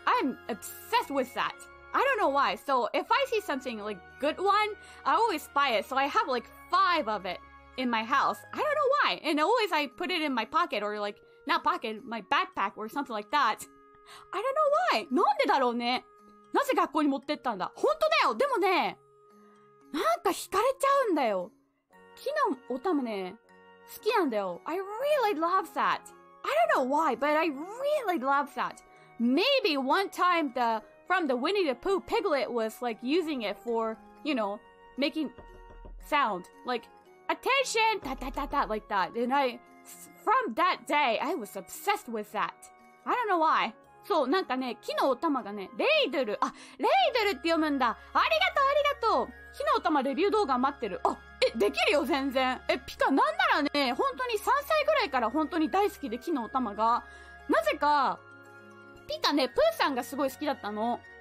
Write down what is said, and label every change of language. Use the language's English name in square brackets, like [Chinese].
[English] I'm obsessed with that. I don't know why. So if I see something like good one, I always buy it. So I have like 5 of it in my house. I don't know why. And always I put it in my pocket or like, not pocket, my backpack or something like that. I don't know why. [Japanese] なんでだろうね。なぜ学校に持ってったんだ。本当だよ。でもね、なんか惹かれちゃうんだよ。木のお玉ね。好きなんだよ。 [English] I really love that. I don't know why, but I really love that. Maybe one time from the Winnie the Pooh piglet was like using it for, you know, making sound. Like, attention! Da da da da, like that. And I, from that day, I was obsessed with that. I don't know why. [Japanese] そう、なんかね、木のお玉がね、レイドル。あ、レイドルって読むんだ。ありがとう、ありがとう。木のお玉レビュー動画待ってる。あ、え、できるよ、全然。え、ピカ、なんならね、本当に3歳ぐらいから本当に大好きで、木のお玉が。なぜか、ピカね、プーさんがすごい好きだったの。